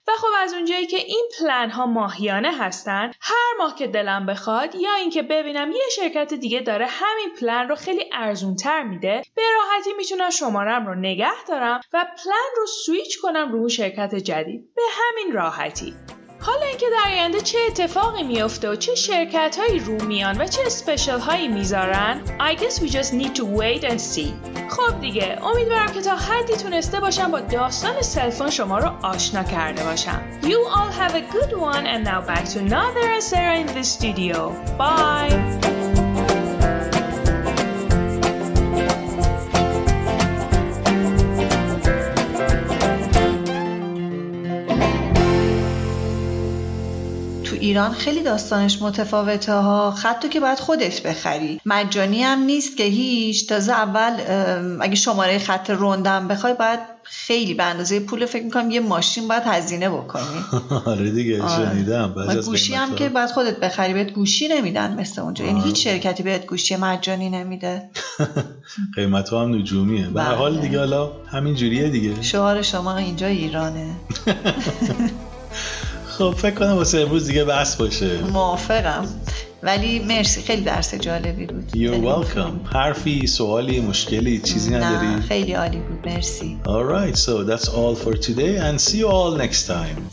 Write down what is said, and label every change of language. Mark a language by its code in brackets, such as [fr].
[fa] و خب از اونجایی که این پلان ها ماهیانه هستن، هر ماه که دلم بخواد یا اینکه ببینم یه شرکت دیگه داره همین پلان رو خیلی ارزونتر میده، به راحتی میتونم شمارم رو نگه دارم و پلان رو سویچ کنم رو شرکت جدید به همین راحتی. حالا اینکه در آینده چه اتفاقی میفته و چه شرکت هایی رو میان و چه اسپیشال هایی میذارن، [en] I guess we just need to wait and see. [fa] خب دیگه، امیدوارم که تا حدی تونسته باشم با داستان سلفون شما رو آشنا کرده باشم. [en] You all have a good one and now back to Nader and Sarah in the studio. Bye! [fa] ایران خیلی داستانش متفاوته ها، خطو که باید خودت بخری، مجانی هم نیست که هیچ. تازه اول اگه شماره خط روندم بخوای باید خیلی به اندازه پول فکر میکنم یه ماشین باید هزینه بکنی. آره دیگه شنیدم. و گوشی هم که باید خودت بخری، بهت گوشی نمیدن مثل اونجا. این هیچ شرکتی بهت گوشی مجانی نمیده. قیمت ها هم نجومیه به هر حال دیگه. حالا همین جوریه دیگه، شعار شما اینجا ایرانه. خب فکر کنم واسه امروز دیگه بس باشه. موافقم، ولی مرسی، خیلی درس جالبی بود. [en] You're welcome. [fa] حرفی، سوالی، مشکلی، چیزی نداری؟ نه، خیلی عالی بود، مرسی. [en] Alright, so that's all for today and see you all next time.